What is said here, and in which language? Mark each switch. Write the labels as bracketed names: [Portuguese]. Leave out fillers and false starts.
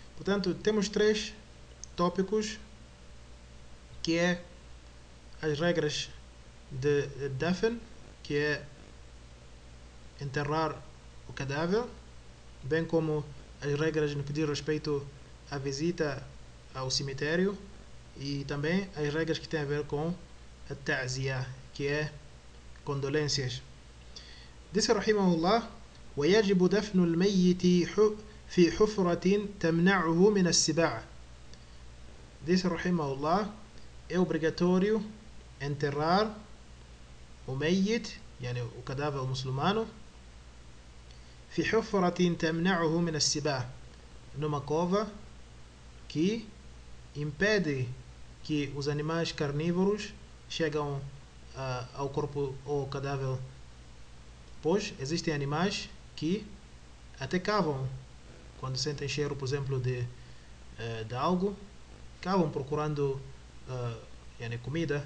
[Portuguese] Portanto, temos três tópicos, que é as regras de dafn, que é enterrar o cadáver, bem como as regras no que diz respeito à visita ao cemitério e também as regras que têm a ver com a ta'ziya, que é condolências. Disse Rahimahullah, [Arabic] وَيَجِبُ دَفْنُ الْمَيِّتِ في حفرة تمنعه من السباع. [Portuguese] Diz رحمه الله é obrigatório enterrar o meyit, yani o cadáver muçulmano, [Arabic] في حفرة تمنعه من السباع, [Portuguese] numa cova que impede que os animais carnívoros chegam ao corpo ou ao cadáver, pois existem animais que até cavam quando sentem cheiro, por exemplo, de algo, acabam procurando yani, comida.